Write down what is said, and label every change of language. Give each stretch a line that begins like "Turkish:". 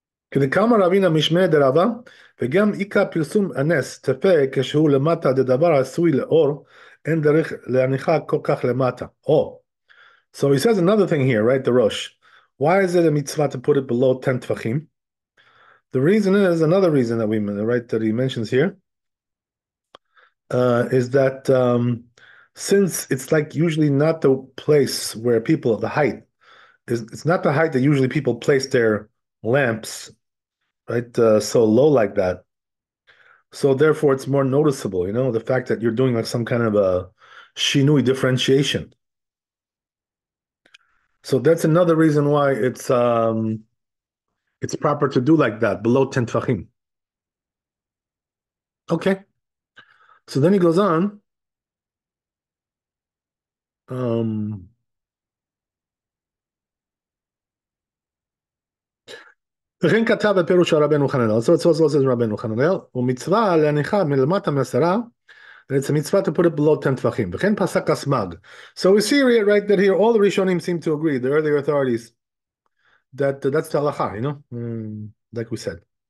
Hebrew: כדקאמר רבינה משמי דרבה, וגם איקה פרסום הנס תפה כשהוא למטה דדבר עשוי לאור, אין דרך להניחה כל כך למטה.
English: Oh, so he says another thing here, right, the Rosh. Why is it a mitzvah to put it below 10 tefachim? The reason is, another reason that we, right, that he mentions here, is that since it's like usually not the place where people, the height, it's not the height that usually people place their lamps, right, so low like that. So therefore, it's more noticeable, you know, the fact that you're doing like some kind of a shinui differentiation. So that's another reason why it's proper to do like that, below 10 tefachim. Okay. So then he goes on.
Hebrew: וכן כתב הפירוש של רבנו חננאל,
English: so it's also says רבנו חננאל,
Hebrew: ומצווה להניחה מלמטה מעשרה,
English: it's a mitzvah to put it below 10 tefachim,
Hebrew: וכן פסק הסמג.
English: So we see right that here, all the Rishonim seem to agree, the earlier authorities, that's the halacha, you know, like we said.